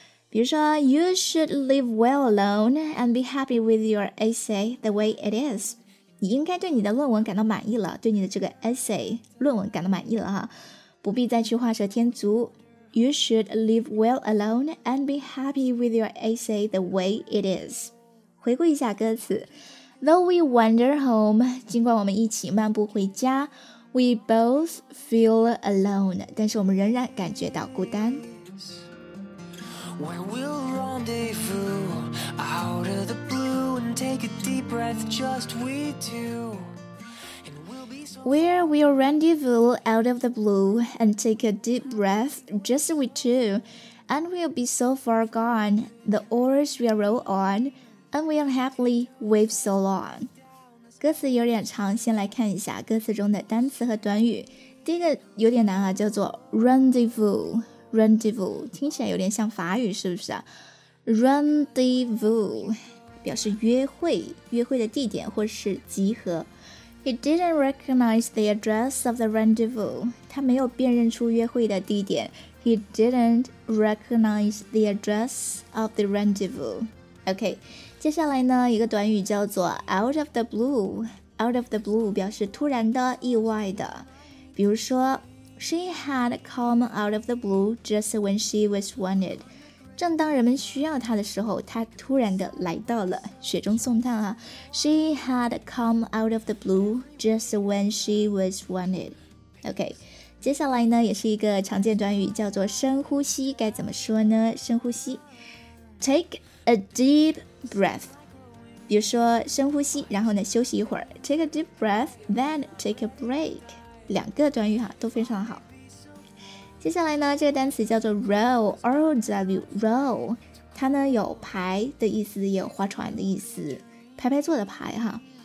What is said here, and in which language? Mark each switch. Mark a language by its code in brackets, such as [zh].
[zh] 比如说 [en] You should live well alone and be happy with your essay the way it is. [zh] 你应该对你的论文感到满意了，对你的这个 essay 论文感到满意了哈，不必再去画蛇添足。 [en] You should live well alone and be happy with your essay the way it is. [zh] 回顾一下歌词。 [en] Though we wander home, [zh] 尽管我们一起漫步回家， [en] We both feel alone, [zh] 但是我们仍然感觉到孤单。 [en] Where we'll rendezvous out of the blue and take a deep breath just we two. Where we'll rendezvous out of the blue and take a deep breath just we two. And we'll be so far gone, the oars we'll row on, and we'll happily wave so long. [zh] 歌词有点长，先来看一下歌词中的单词和短语。第一个有点难啊，叫做 rendezvous。Rendezvous 听起来有点像法语，是不是啊？ Rendezvous 表示约会，约会的地点或是集合。 [en] He didn't recognize the address of the rendezvous. [zh] 他没有辨认出约会的地点。 [en] He didn't recognize the address of the rendezvous. [zh] OK， 接下来呢一个短语叫做 out of the blue。 [en] Out of the blue [zh] 表示突然的，意外的。比如说 [en] She had come out of the blue just when she was wanted. [zh] 正当人们需要她的时候，她突然的来到了，雪中送炭啊。 [en] She had come out of the blue just when she was wanted. [zh] OK， 接下来呢也是一个常见短语，叫做深呼吸，该怎么说呢？ [en] 深呼吸 ，take a deep breath. [zh] 比如说深呼吸，然后呢休息一会儿 [en] ，take a deep breath, then take a break. [zh] 两个短语哈都非常好。接下来呢这个单词叫做 row， R-O-W， row， 它呢有排的意思，也有划船的意思，排排坐的排哈。